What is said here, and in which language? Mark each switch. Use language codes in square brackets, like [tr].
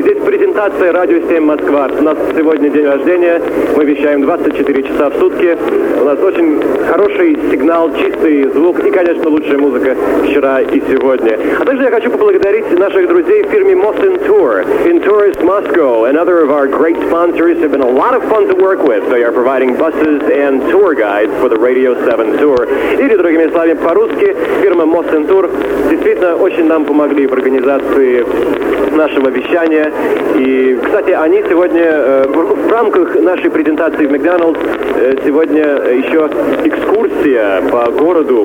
[ru] Здесь презентация «Радио 7 Москва». У нас сегодня день рождения. Мы вещаем 24 часа в сутки. У нас очень хороший сигнал, чистый звук и, конечно, лучшая музыка вчера и сегодня. А также я хочу поблагодарить наших друзей в фирме «Mostin [en] Tour». [ru] Tour [en] is Musco, another of our great sponsors. They've been a lot of fun to work with. They are providing buses and tour guides for the Radio 7 tour. [ru] Или, другими словами, по-русски, фирма Мосинтур действительно очень нам помогли в организации нашего вещания. И, кстати, они сегодня в рамках нашей презентации в Макдоналдс сегодня еще экскурсия по городу.